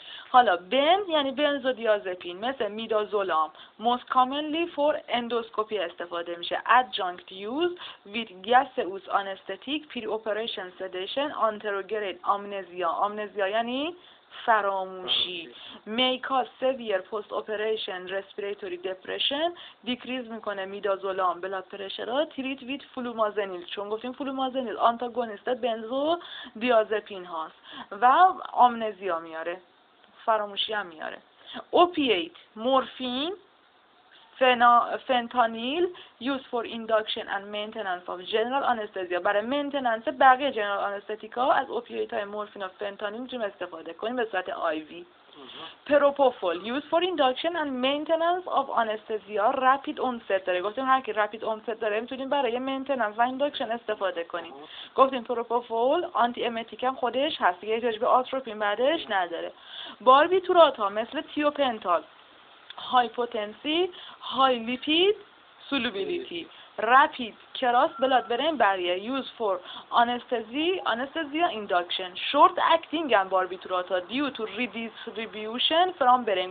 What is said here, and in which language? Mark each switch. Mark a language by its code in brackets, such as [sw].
[fa] حالا بن یعنی بنزودیازپین مثل میدازولام [en] most commonly for endoscopy [fa] استفاده میشه. [en] adjunct use with gaseous anesthetic pre-operation sedation anterograde amnesia. [fa] amnesia یعنی فراموشی. [en] may cause severe post-operation respiratory depression. decrease میکنه midazolam blood pressure. treat with [fa] فلومازنیل چون گفتیم فلومازنیل آنتاگونیست بنزودیازپین هاست و آمنزیا میاره، فراموشی هم میاره. [en] Opiate morphine fentanyl used for induction and maintenance of general anesthesia. [fa] برای مینتننس بقیه جنرال آنستتیکا از اوپیویت های مورفین و فنتانیل میتونیم استفاده کنیم به صورت آیوی. [en] Propofol used for induction and maintenance of anesthesia rapid onset داره. [fa] گفتیم هر که rapid onset داره میتونیم برای مینتننس و induction استفاده کنیم. گفتیم پروپوفول آنتی امتیک هم خودش هست، یه احتیاج به آتروپین بعدش نداره. [en] Barbiturate ها مثل thiopental hypotension high lipid solubility rapid cross blood brain barrier use for anesthesia induction short acting هم باربیتوراتا due to redistribution from brain.